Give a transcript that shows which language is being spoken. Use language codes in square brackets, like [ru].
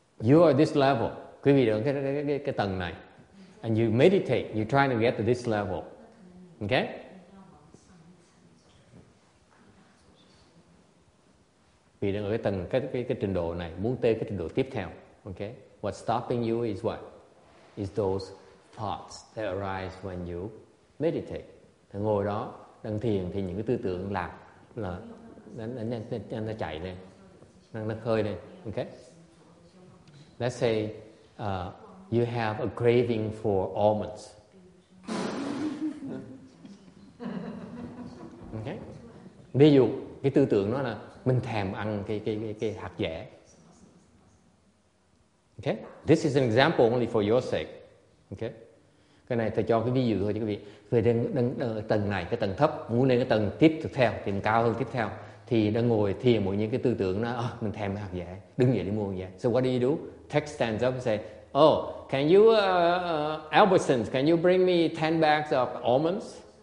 [en] You are this level, [vi] quý vị đang cái tầng này. [en] And you meditate, you're trying to get to this level, okay? [vi] Vì đang ở cái tầng cái trình độ này, muốn tới cái trình độ tiếp theo, okay? [en] What's stopping you is what? Is those thoughts that arise when you meditate. [vi] Ngồi đó đang thiền thì những cái tư tưởng lạc là nó chạy lên, nó khơi lên. [en] Okay, let's say you have a craving for almonds. [vi] Okay, ví dụ cái tư tưởng đó là mình thèm ăn cái hạt dẻ. [en] Okay, this is an example only for your sake. [vi] Okay, cái này tôi cho cái ví dụ thôi cho quý vị. Về tầng này, cái tầng thấp, muốn lên cái tầng tiếp theo, tầng cao hơn tiếp theo, thì đang ngồi thiền một những cái tư tưởng đó, mình thèm hạt dẻ, đứng dậy đi mua hạt dẻ. [en] So what do you do? Text stands up and say, oh, can you, Albertsons, can you bring me 10 bags of almonds?